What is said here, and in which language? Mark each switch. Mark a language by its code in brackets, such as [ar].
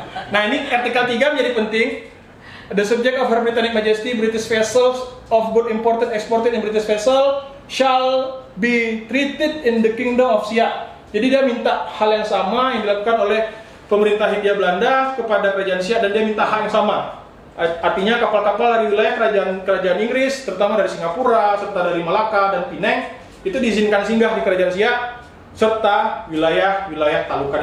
[id] Nah ini artikel 3 menjadi penting. [en] The subject of Her Britannic Majesty British vessels of good imported exported in British vessel shall be treated in the Kingdom of Siak. [id] Jadi dia minta hal yang sama yang dilakukan oleh pemerintah Hindia Belanda kepada Kerajaan Siak, dan dia minta hal yang sama. Artinya kapal-kapal dari wilayah kerajaan Inggris, terutama dari Singapura serta dari Malaka dan Penang, itu diizinkan singgah di Kerajaan Siak serta wilayah-wilayah Talukan.